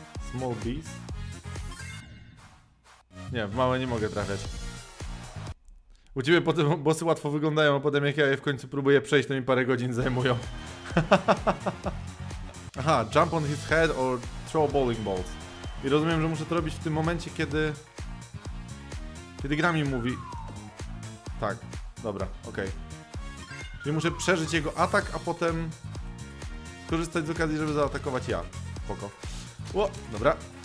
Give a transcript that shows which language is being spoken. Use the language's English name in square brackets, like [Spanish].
[English] Small bees. [Polish] Nie, w małe nie mogę trafiać. U ciebie potem bossy łatwo wyglądają, a potem jak ja je w końcu próbuję przejść, to mi parę godzin zajmują. [English] Aha, jump on his head or throw bowling balls. [Polish] I rozumiem, że muszę to robić w tym momencie, kiedy... Kiedy gra mi mówi... Tak, dobra, okej. Okay. Czyli muszę przeżyć jego atak, a potem... Skorzystać z okazji, żeby zaatakować ja. Spoko. Ło, dobra.